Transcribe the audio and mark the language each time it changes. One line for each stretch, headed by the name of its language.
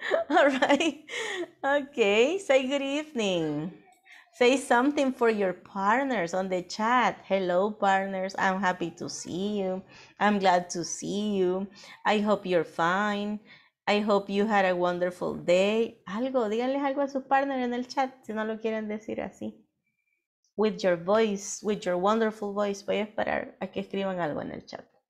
English: All right. Okay, say good evening. Say something for your partners on the chat. Hello, partners. I'm happy to see you. I'm glad to see you. I hope you're fine. I hope you had a wonderful day.
Spanish: Algo, díganles algo a sus partners en el chat, si no lo quieren decir así.
English: With your voice, with your wonderful voice.
Spanish: Voy a esperar a que escriban algo en el chat.